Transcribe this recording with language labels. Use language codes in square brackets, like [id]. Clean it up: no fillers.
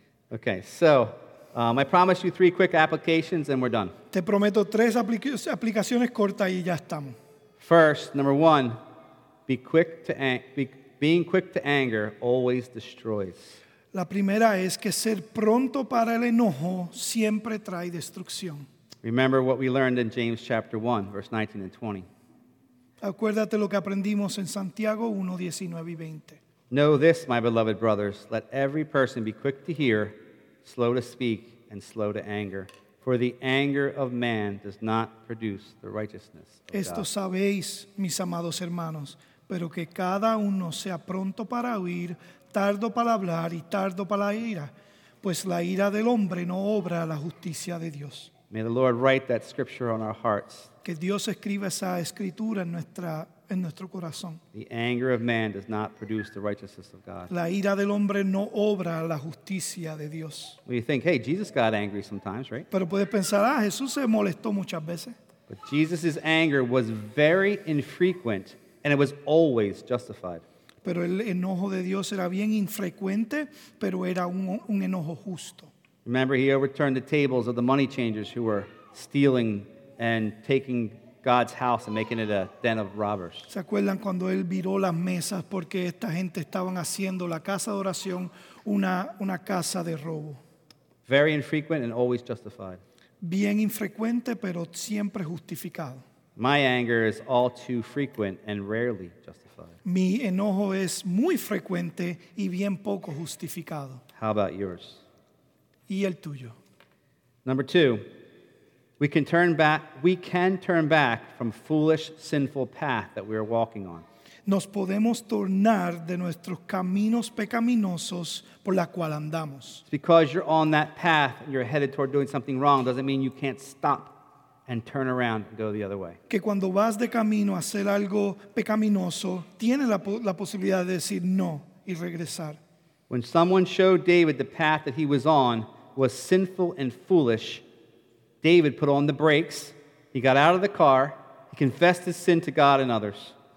[en] Okay, so I promise you three quick applications and we're done. [es] Te prometo tres aplicaciones cortas y ya estamos. [en] First, number one, being quick to anger always destroys. [es] La primera es que ser pronto para el enojo siempre trae destrucción. [en] Remember what we learned in James chapter 1, verse 19 and 20. [es] Acuérdate lo que aprendimos en Santiago 1, 19 y 20. [en] Know this, my beloved brothers. Let every person be quick to hear, slow to speak, and slow to anger. For the anger of man does not produce the righteousness of God. [es] Esto sabéis, mis amados hermanos, pero que cada uno sea pronto para oír, tardo para hablar y tardo para la ira, pues la ira del hombre no obra la justicia de Dios. [en] May the Lord write that scripture on our hearts. [es] Que Dios escriba esa escritura en nuestro corazón. [en] The anger of man does not produce the righteousness of God. [es] La ira del hombre no obra la justicia de Dios. [en] Well, you think, hey, Jesus got angry sometimes, right? [es] Pero puedes pensar, Jesús se molestó muchas veces. [en] But Jesus' anger was very infrequent and it was always justified. [es] Pero el enojo de Dios era bien infrecuente, pero era un enojo justo. [en] Remember, he overturned the tables of the money changers who were stealing and taking God's house and making it a den of robbers. [es] ¿Se acuerdan cuando él viró las mesas porque esta gente estaban haciendo la casa de oración una casa de robo? [en] Very infrequent and always justified. [es] Bien infrecuente, pero siempre justificado. [en] My anger is all too frequent and rarely justified. [es] Mi enojo es muy frecuente y bien poco justificado. [en] How about yours? [es] Y el tuyo. [en] Number two, we can turn back from foolish, sinful path that we are walking on. [es] Nos podemos tornar de nuestros caminos pecaminosos por la cual andamos. [en] Because you're on that path and you're headed toward doing something wrong doesn't mean you can't stop and turn around and go the other way. [es] Que cuando vas de camino a hacer algo pecaminoso, tienes la posibilidad de decir no y regresar. [en] When someone showed David the path that he was on was sinful and foolish, David put on the brakes, he got out of the car, he confessed his sin to God and others.